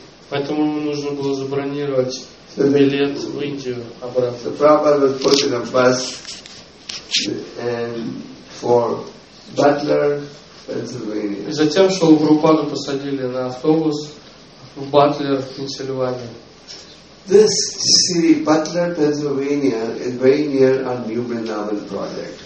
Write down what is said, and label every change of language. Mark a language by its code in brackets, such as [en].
[ru] Поэтому ему нужно было забронировать билет в Индию обратно. [en] Prabhupada was put in a bus and for Butler, Pennsylvania. [ru] И затем Шрилу Прабхупаду посадили на автобус в Батлер, Пенсильвания. [en] This city, Butler, Pennsylvania, is very near our New Vrindavan project.